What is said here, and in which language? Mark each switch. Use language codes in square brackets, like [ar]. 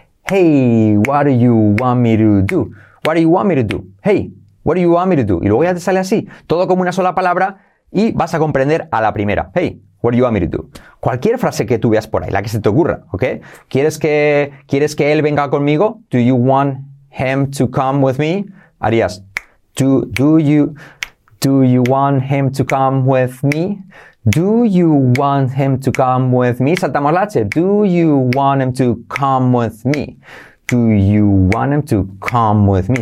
[en] Hey, what do you want me to do? What do you want me to do? Hey, what do you want me to do? [es] Y luego ya te sale así, todo como una sola palabra y vas a comprender a la primera. [en] Hey, what do you want me to do? [es] Cualquier frase que tú veas por ahí, la que se te ocurra, ¿ok? ¿Quieres que él venga conmigo? [en] Do you want him to come with me? Harías, do you want him to come with me? Do you want him to come with me? [es] Saltamos la H. [en] Do you want him to come with me? Do you want him to come with me?